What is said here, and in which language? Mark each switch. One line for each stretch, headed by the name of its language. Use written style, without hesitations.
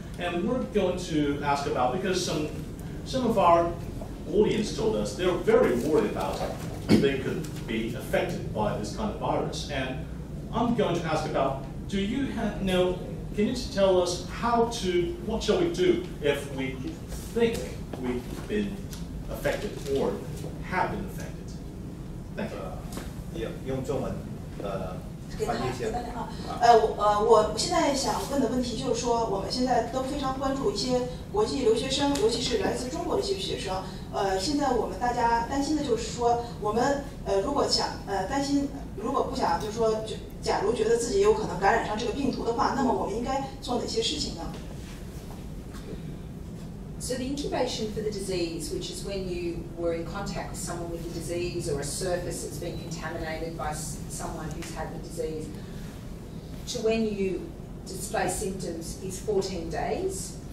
English: And we're going to ask about, because some of our audience told us they're very worried about they could be affected by this kind of virus. And I'm going to ask about, do you know, can you tell us what shall we do if we think we've been affected or have been affected? Thank you. Yeah,
Chinese: 我现在想问的问题就是说，我们现在都非常关注一些国际留学生，尤其是来自中国的一些学生。现在我们大家担心的就是说，我们如果想担心，如果不想就是说，假如觉得自己有可能感染上这个病毒的话，那么我们应该做哪些事情呢
English: ？So the incubation for the disease, which is when you were in contact with someone with the disease or a surface that's been contaminated by someone who's had the disease. To when you display symptoms is 14 days.